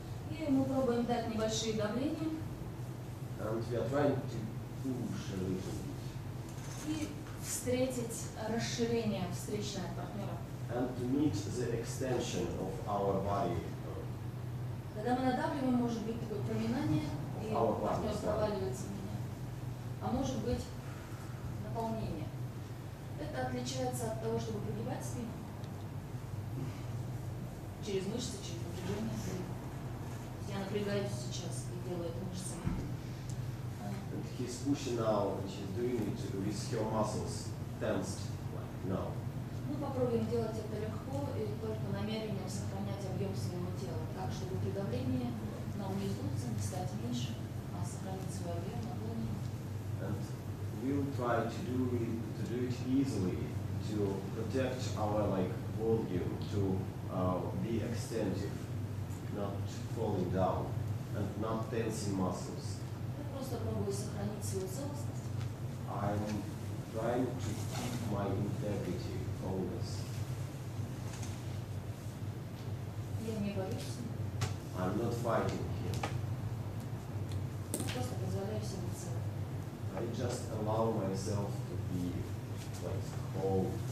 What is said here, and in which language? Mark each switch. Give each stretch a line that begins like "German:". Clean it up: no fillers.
Russian: И мы пробуем дать небольшие давления.
English: And we are trying to push a little bit.
Russian: И встретить расширение встречного партнера.
English: And to meet the extension of our body.
Russian: Когда мы надавливаем, может быть такое проминание, и партнер проваливается в меня. А может быть наполнение. Это отличается от того, чтобы прогибать спину. Через мышцы, через напряжение. Я напрягаюсь сейчас и делаю это мышцами.
English: And he's pushing now, and she's doing it with her muscles tensed, like now. Ну,
Russian: попробуем делать это легко и только намерением сохранять объем своего тела, так чтобы при давлении нам не сдуться, не стать меньше, а сохранить свой объем на полный.
English: And we'll try to do it easily, to protect our like volume, to be extensive, not falling down, and not tensing muscles.
Russian: Я просто пробую сохранить свою целостность.
English: I'm trying to keep my integrity always.
Russian: Я не боюсь.
English: I'm not fighting here.
Russian: Просто позволяю себе целостность.
English: I just allow myself to be like whole.